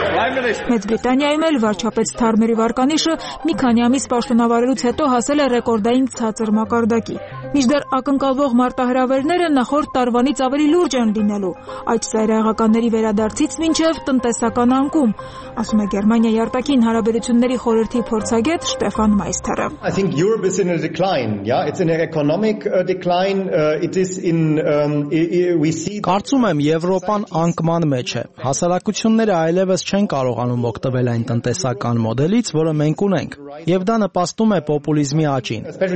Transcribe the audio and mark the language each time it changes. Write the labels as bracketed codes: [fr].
[hy] Մեծ Բրիտանիայում էլ վարչապետ Սթարմերի վարկանիշը մի քանի ամիս պաշտոնավարելուց հետո հասել է ռեկորդային ցածր մակարդակի։ Միջդեռ ակնկալվող մարտահրավերները նախորդ տարվանից ավելի լուրջ են լինելու, այդ ծայրահեղականների վերադարձից մինչև տնտեսական անկում, ասում է Գերմանիայի արտաքին հարաբերությունների խորհրդի փորձագետ Ստեֆան Մայստերը։ [en] I think Europe is in a decline, yeah, it's in an economic decline, it is in we see [hy] Կարծում եմ Եվրոպան անկման մեջ է։ Հասարակությունները այլևս չեն կարողանում օգտվել այն տնտեսական մոդելից, որը մենք ունենք, եւ դա նպաստում է պոպուլիզմի աճին։